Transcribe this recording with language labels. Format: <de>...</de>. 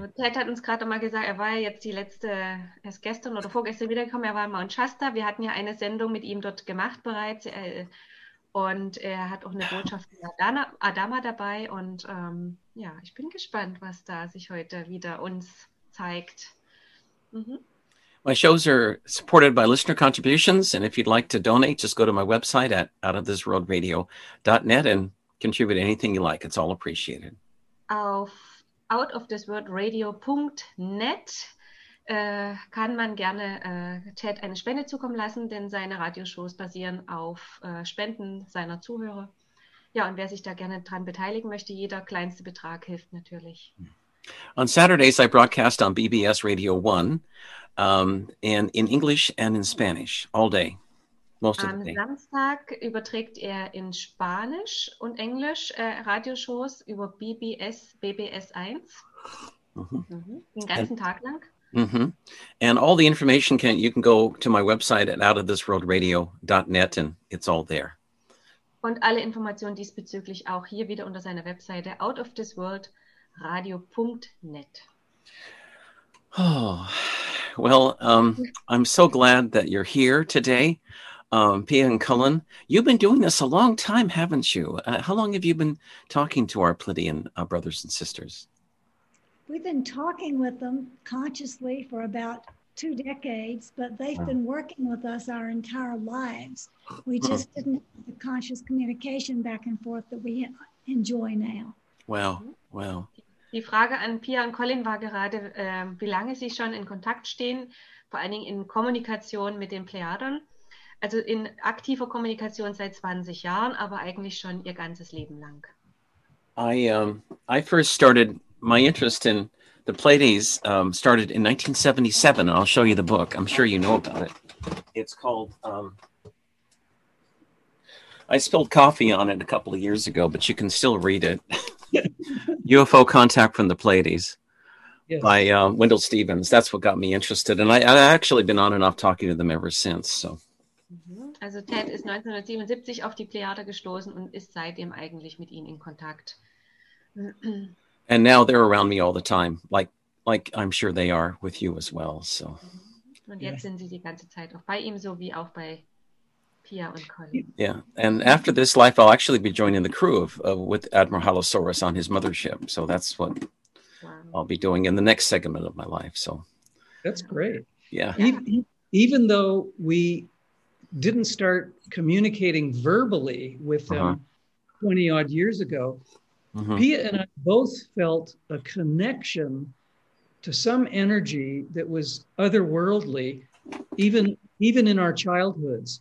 <de>Also, Ted hat uns gerade mal gesagt, er war jetzt die letzte, erst gestern oder vorgestern wiedergekommen, er war in Mount Shasta. Wir hatten ja eine Sendung mit ihm dort gemacht bereits. Und er hat auch eine Botschaft von Adama dabei. Und ja, ich bin gespannt, was da sich heute wieder uns zeigt.</de> <en>My shows are supported by listener contributions, and if you'd like to donate, just go to my website at outofthisworldradio.net and contribute anything you like. It's all appreciated.</en> <de>Auf outofthisworldradio.net kann man gerne Ted eine Spende zukommen lassen, denn seine Radioshows basieren auf Spenden seiner Zuhörer. Ja, und wer sich da gerne dran beteiligen möchte, jeder kleinste Betrag hilft natürlich.</de> <en>On Saturdays, I broadcast on BBS Radio 1. And in English and in Spanish all day, most of</en> <de>Am</de> <en>the day.</en> <de>Samstag überträgt er in Spanisch und Englisch Radioshows über BBS 1. Den ganzen Tag lang.</de> <en>And all the information can you can go to my website at outoftheworldradio.net and it's all there.</en> <de>Und alle Informationen diesbezüglich auch hier wieder unter seiner Webseite outofthisworldradio.net.</de> <en>Oh. Well, I'm so glad that you're here today. Pia and Cullen, you've been doing this a long time, haven't you? How long have you been talking to our Pleiadian brothers and sisters? We've been talking with them consciously for about 2 decades, but they've been working with us our entire lives. We just didn't have the conscious communication back and forth that we enjoy now. Well.</en> <de>Die Frage an Pia und Colin war gerade, wie lange sie schon in Kontakt stehen, vor allen Dingen in Kommunikation mit den Plejadern. Also in aktiver Kommunikation seit 20 Jahren, aber eigentlich schon ihr ganzes Leben lang.</de> <en>I first started my interest in the Pleiades started in 1977. I'll show you the book. I'm sure you know about it. It's called I spilled coffee on it a couple of years ago, but you can still read it. UFO Contact from the Pleiades Yes. by Wendell Stevens. That's what got me interested. And I actually been on and off talking to them ever since. So.</en> <de>Also Ted ist 1977 auf die Plejade gestoßen und ist seitdem eigentlich mit ihnen in Kontakt.</de> <en>And now they're around me all the time, like I'm sure they are with you as well. So.</en> <de>Und jetzt sind sie die ganze Zeit auch bei ihm, so wie auch bei Pia und Colin.</de> <en>Yeah, and after this life, I'll actually be joining the crew with Admiral Halosaurus on his mothership. So that's what I'll be doing in the next segment of my life. So, That's great. yeah. Even though we didn't start communicating verbally with them 20 odd years ago, Pia and I both felt a connection to some energy that was otherworldly, even in our childhoods.</en>